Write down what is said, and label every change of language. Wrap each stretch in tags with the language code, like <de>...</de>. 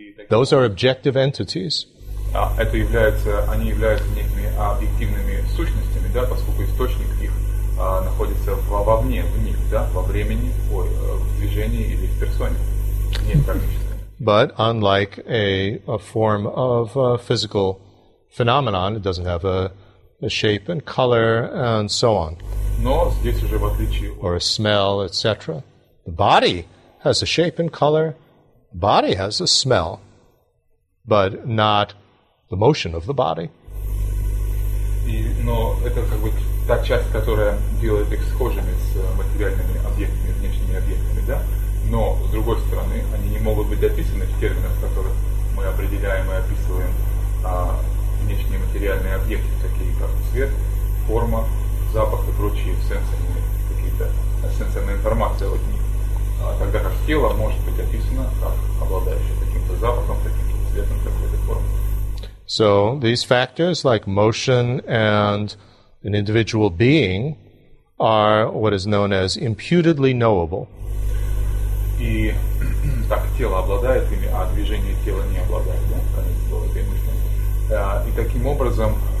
<en>Those are objective entities.</en> <ru>Это является, они являются некими объективными сущностями, да, поскольку источник их находится вовне, в них, да, во времени, в движении или в персоне, не в кармическом.</ru> <en>But unlike a form of a physical phenomenon, it doesn't have a shape and color and so on.</en> <ru>Но здесь уже в отличие...</ru> <en>Or a smell, etc. The body has a shape and color, body has a smell, but not the motion of the body.</en> <ru>Но это как бы та часть, которая делает их схожими с материальными объектами, внешними объектами, да? Но, с другой стороны, они не могут быть описаны в терминах, в которых мы определяем и описываем внешние материальные объекты, такие как цвет, форма, запах и прочие сенсорные, какие-то сенсорные информации от них. Тогда как тело может быть описано как обладающее каким-то запахом, каким-то цветом, какой-то формой.</ru> <en>So these factors, like motion and an individual being, are what is known as imputedly knowable.</en> <ru>И так тело обладает ими, а движение тела не обладает, да? Конец слова, это мышление. И таким образом,</ru>